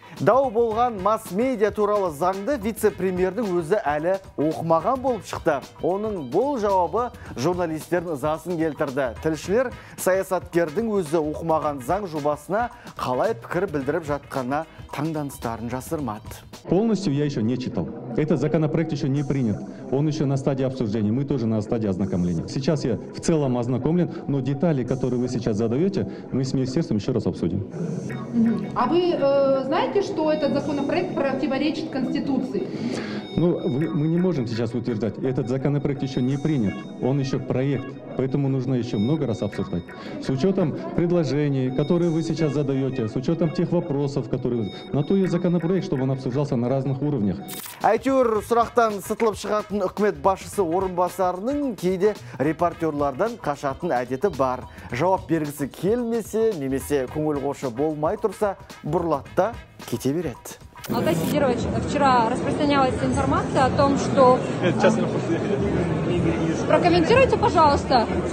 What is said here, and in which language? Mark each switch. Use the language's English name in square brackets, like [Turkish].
[Kazakh] Дау болған масс-медиа туралы заңды вице-премьердің өзі әлі оқымаған болып шықты. Оның бұл жауабы журналистердің ызасын келтірді. Тілшілер саясаткердің өзі оқымаған заң жобасына қалай пікір білдіріп жатқанына таңданыстарын жасырмады. [Russian] Полностью я еще не читал. Этот законопроект еще не принят. Он еще на стадии обсуждения. Мы тоже на стадии ознакомления. Сейчас я в целом ознакомлен, но детали, которые вы сейчас задаете, мы с министерством еще раз обсудим. А вы знаете, что этот законопроект противоречит Конституции? Ну, мы не можем сейчас утверждать. Этот законопроект еще не принят. Он еще проект. Поэтому нужно еще много раз обсуждать. С учетом предложений, которые вы сейчас задаете, с учетом тех вопросов, которые... На то есть законопроект, чтобы он обсуждался на разных уровнях. [Kazakh] Әйтеуір сұрақтан сытылып шығатын үкімет басшысы орынбасарының кейде репортерлардан қашатын әдеті бар. Жауап бергісі келмесе, немесе көңіл қошы болмай тұрса, бұрлатта кете береді. [Russian] Алтай Сидирович, вчера распространялась информация о том, что... Прокомментируйте, пожалуйста.